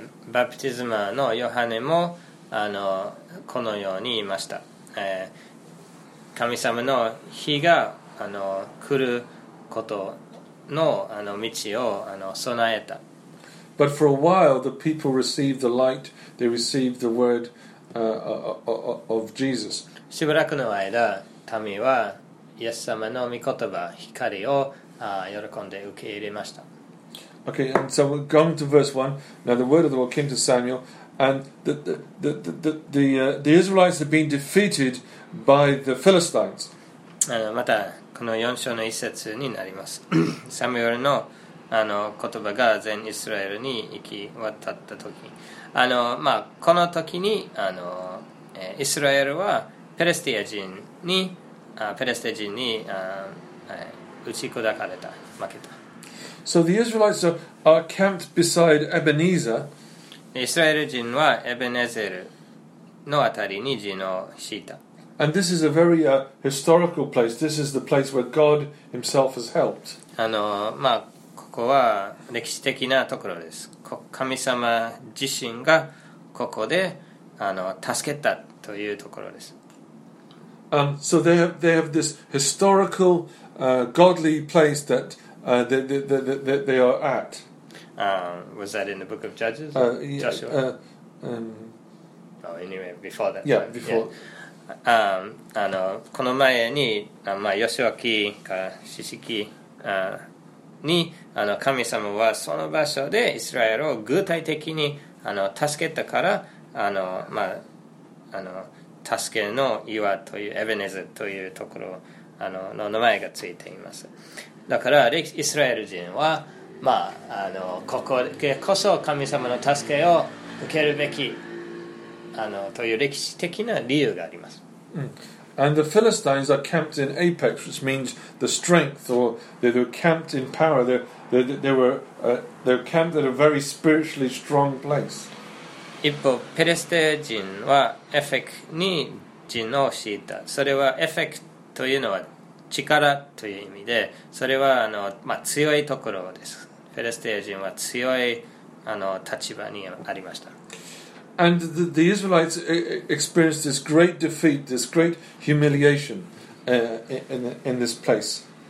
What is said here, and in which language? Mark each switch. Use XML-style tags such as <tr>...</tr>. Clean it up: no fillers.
<ja>バプティズマのヨハネもあのこのように言いました、神様の火があの来ること の道をあの備えた。</ja> <en>But for a while the people received the light, they received the word of Jesus.</en> <ja>しばらくの間民はイエス様の御言葉光を喜んで受け入れました。</ja> <en>Okay, and so we're going to verse 1. Now the word of the Lord came to Samuel, and the Israelites had been defeated by the Philistines.</en> <ja>またこの4章の1節になります。サムエルの、あの、言葉が全イスラエルに行き渡った時。あの、まあ、この時に、あの、イスラエルはペレスティア人に、ペレスティア人に、打ち砕かれた、負けた。</ja> <en>So the Israelites are camped beside Ebenezer.</en> <ja>イスラエル人はエベネゼルのあたりに陣を敷いた。</ja> <en>And this is a very historical place. This is the place where God himself has helped.</en> <ja>あの、まあ、ここは歴史的なところです。神様自身がここで、あの、助けたというところです。</ja> <en>So they have this historical, godly place that they are at. Was that in the book of Judges? Joshua. Oh, anyway, before that. Yeah, before. Yeah.</en> <ja>あのこの前に、まあ、ヨシュア記か詩詩記に、あの神様はその場所でイスラエルを具体的に、あの助けたから、あの、まあ、あの助けの岩というエベネズというところ、あの、の名前がついています。だからイスラエル人は、まあ、あのここでこそ神様の助けを受けるべき、あのという歴史的な理由があります。</ja> <en>And the Philistines are camped in Apex, which means the strength, or they're camped in power. They're camped at a very spiritually strong place.</en> <ja>一方、ペレステ人はエフェクに陣を敷いた。それはエフェクというのは力という意味で、それはあの、まあ、強いところです。フェレステア人は強い、あの、立場にありました。</ja> <en>And the Israelites experienced this great defeat, this great humiliation, in this place.</en>